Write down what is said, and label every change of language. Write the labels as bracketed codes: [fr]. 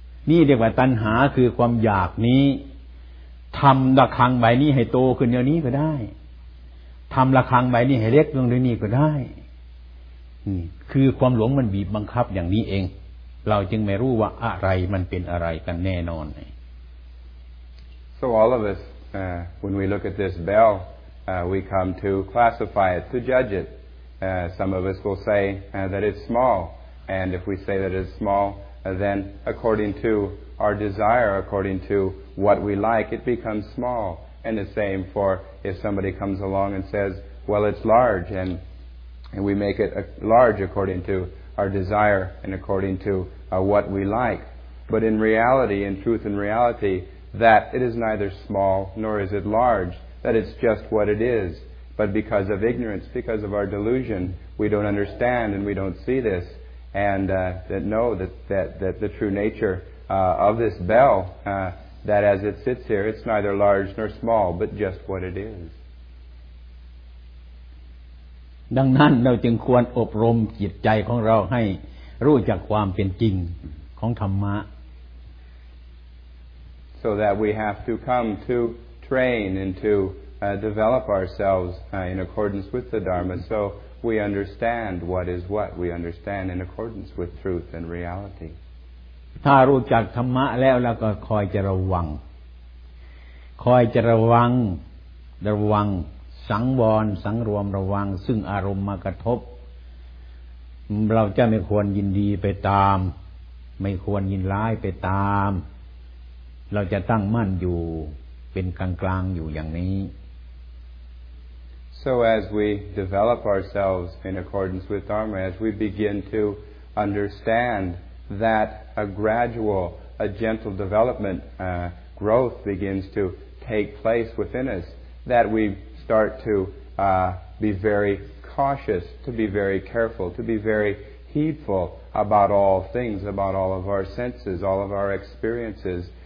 [th] นี่เรียกว่าตัณหาคือความอยากนี้ทำระฆังใบนี้ให้โตขึ้นอย่างนี้ก็ได้ทำระฆังใบนี้ให้เล็กลงในนี้ก็ได้คือความหลงมันบีบบังคับอย่างนี้เองเราจึงไม่รู้ว่าอะไรมันเป็นอะไรกันแน่นอน [en] So all of us when we look at this bell we come to classify it to judge it some of us will say that it's small and if we say that it's small then according to our desire according to what we like it becomes small and the same for if somebody comes along and says well it's large and we make it large according to our desire and according to what we like. But in reality, in truth and reality, that it is neither small nor is it large, that it's just what it is. But because of ignorance, because of our delusion, we don't understand and we don't see this and that know that the true nature of this bell, that as it sits here, it's neither large nor small, but just what it is. [th] ดังนั้นเราจึงควรอบรมจิตใจของเราให้รู้จักความเป็นจริงของธรรมะ [en] so that we have to come to train and to develop ourselves in accordance with the Dharma so we understand what is what we understand in accordance with truth and reality [th] ถ้ารู้จักธรรมะแล้วเราก็คอยจะระวังคอยจะระวังระวังสังวรสังรวมระวังซึ่งอารมณ์มากระทบเราจะไม่ควรยินดีไปตามไม่ควรยินร้ายไปตามเราจะตั้งมั่นอยู่เป็นกลางๆอยู่อย่างนี้ [en] So as we develop ourselves in accordance with Dharma as we begin to understand that a gradual a gentle development growth begins to take place within us that weStart to be very cautious, to be very careful, to be very heedful about all things, about all of our senses, all of our experiences.